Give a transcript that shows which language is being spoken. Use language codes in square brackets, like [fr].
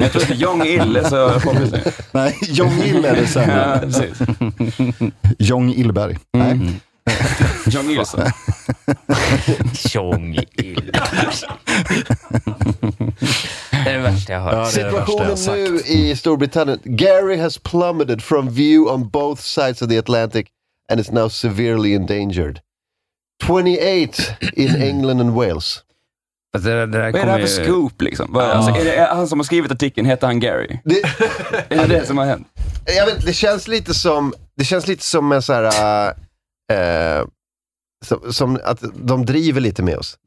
[sv] Jag tror att Jong Il är så... Nej, Jong Il är det sämre. Jong Ilberg. Nej. Jong Il. Jong Il. Det är det värsta jag har hört. Situationen nu i Storbritannien. [en] Gary has plummeted from view on both sides of the Atlantic and is now severely endangered. 28 in England and Wales. [sv] Vad är det här för scoop liksom? Alltså, är det han som har skrivit artikeln, heter han Gary? Det, är det som har hänt? Jag vet, det känns lite som en så här som att de driver lite med oss.